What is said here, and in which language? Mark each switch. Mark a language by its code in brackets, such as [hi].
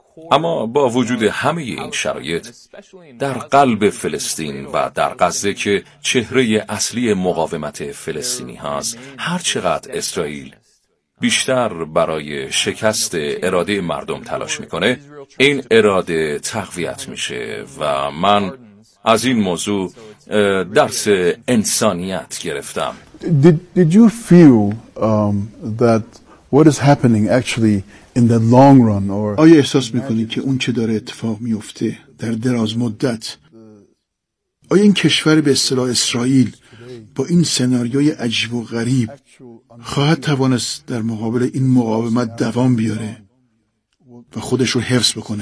[fa] اما با وجود همه این شرایط در قلب فلسطین و در غزه که چهره اصلی مقاومت فلسطینی هاست، هر چقدر اسرائیل بیشتر برای شکست اراده مردم تلاش میکنه، این اراده تقویت میشه و من از این موضوع درس انسانیت گرفتم. [en] Did you feel that what is happening actually in the long run or [fa] آیا احساس میکنید که اون چه داره اتفاق میفته در دراز مدت؟ آیا این کشور به اصطلاح اسرائیل با این سناریوی عجیب و غریب خواهد توانست در مقابل این مقاومت دوام بیاره و خودش رو حفظ بکنه؟